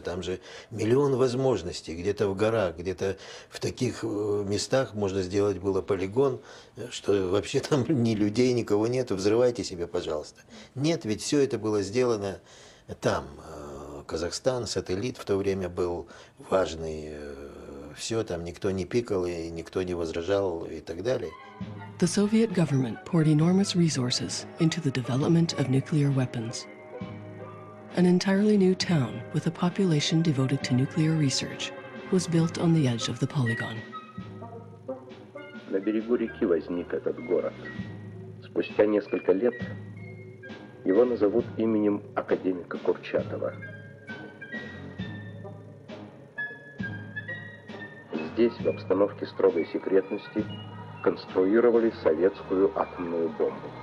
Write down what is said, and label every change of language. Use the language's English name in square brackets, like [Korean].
[Russian] Там же миллион возможностей. Где-то в горах, где-то в таких местах можно сделать было полигон, что вообще там ни людей, никого нет. Взрывайте себе, пожалуйста. Нет, ведь все это было сделано там. Казахстан, сателлит в то время был важный. Все, там никто не пикал и никто не возражал и так далее. [English] The Soviet government poured enormous resources into the development of nuclear weapons. An entirely new town with a population devoted to nuclear research was built on the edge of the polygon. [Russian] На берегу реки возник этот город. Спустя несколько лет его назовут именем академика Курчатова. Здесь, в обстановке строгой секретности, конструировали советскую атомную бомбу.